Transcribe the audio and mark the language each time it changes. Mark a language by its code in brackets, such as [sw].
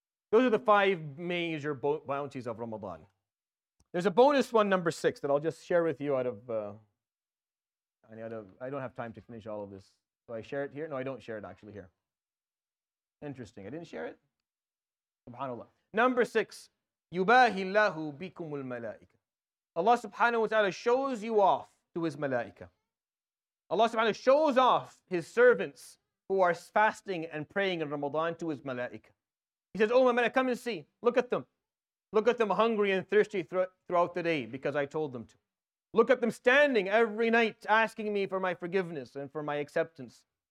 [en] Those are the five major bounties of Ramadan. There's a bonus one, number six, that I'll just share with you I don't have time to finish all of this. Do I share it here? No, I don't share it actually here. Interesting. I didn't share it? SubhanAllah. Number six, [ar] يُبَاهِ اللَّهُ بِكُمُ الْمَلَائِكَ. [en] Allah subhanahu wa ta'ala shows you off to His malaika. Allah subhanahu wa ta'ala shows off His servants who are fasting and praying in Ramadan to His malaika. He says, oh my malaika, come and see. Look at them. Look at them hungry and thirsty throughout the day because I told them to. Look at them standing every night asking me for my forgiveness and for my acceptance.